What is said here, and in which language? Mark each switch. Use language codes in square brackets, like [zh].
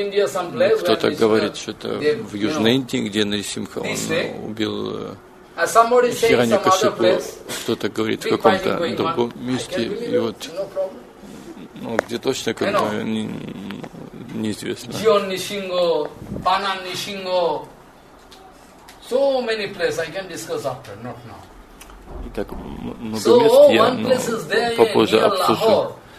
[ru] Кто-то говорит, что это в Южной Индии, где Нарисимха он убил Хиранякасипу. Кто-то говорит в каком-то другом месте. И вот, ну, где точно, как бы, неизвестно. Джион Нисинго, Панан Нисинго. [en] So many places, I can discuss after, not now. [ru] И так много мест, я попозже обсужу.